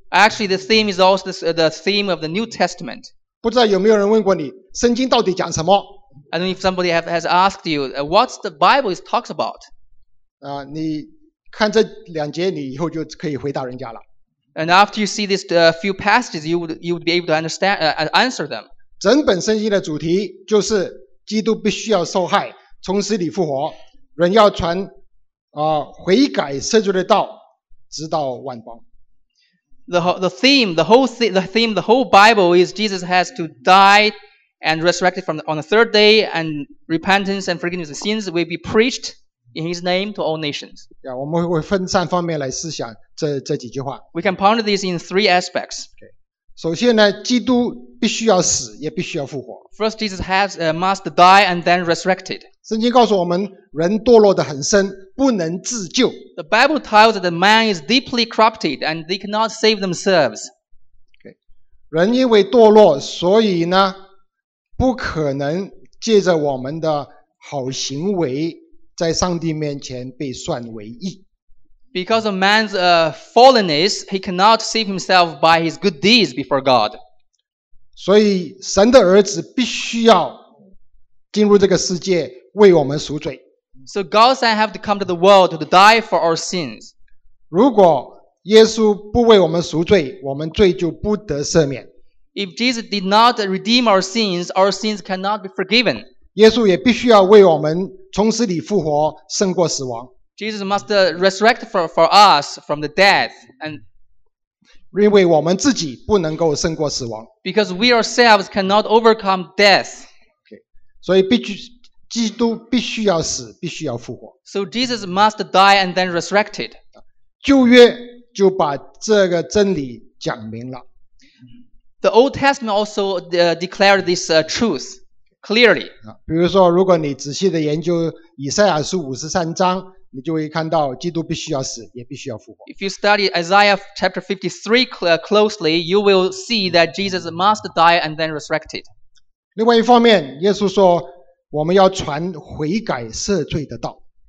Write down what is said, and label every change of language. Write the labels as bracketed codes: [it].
[en] Actually, the theme is also the theme of the New Testament. [zh] 不知道有没有人问过你，圣经到底讲什么？ [en] And if somebody has asked you, what's the Bible is talks about? [zh] 你看这两节，你以后就可以回答人家了。 [en] And after you see these few passages, you would be able to understand answer them. [zh] 整本圣经的主题就是基督必须要受害，从死里复活，人要传悔改赦罪的道，直到万邦。 [en] The whole Bible is Jesus has to die and resurrected on the third day, and repentance and forgiveness of sins will be preached. In his name to all nations. [zh] Yeah, 我们会分三方面来思想这几句话。 [en] We can ponder this in three aspects. Okay. [zh] 首先呢，基督必须要死，也必须要复活。 [en] First, Jesus must die and then resurrected. [zh] 圣经告诉我们，人堕落得很深，不能自救。 [en] The Bible tells that man is deeply corrupted and they cannot save themselves. Okay. [zh] 人因为堕落，所以呢，不可能借着我们的好行为。在上帝面前被算为义。 [en] Because of man's fallenness, he cannot save himself by his good deeds before God. [zh] 所以神的儿子必须要进入这个世界为我们赎罪。 [en] So God's son have to come to the world to die for our sins. [zh] 如果耶稣不为我们赎罪，我们罪就不得赦免。 [en] If Jesus did not redeem our sins cannot be forgiven. [zh] 耶稣也必须要为我们从死里复活，胜过死亡。 [en] Jesus must resurrect for us from the death, and [zh] 因为我们自己不能够胜过死亡。 [en] Because we ourselves cannot overcome death. [zh] Okay, 所以基督必须要死，必须要复活。 [en] So Jesus must die and then resurrected. [zh] 旧约就把这个真理讲明了。 [en] The Old Testament also declared this truth. Clearly, [zh] 比如说，如果你仔细的研究以赛亚书五十三章，你就会看到基督必须要死，也必须要复活。 [en] If you study Isaiah chapter 53 closely, you will see that Jesus must die and then resurrected. [zh] 另外一方面，耶稣说我们要传悔改赦罪的道。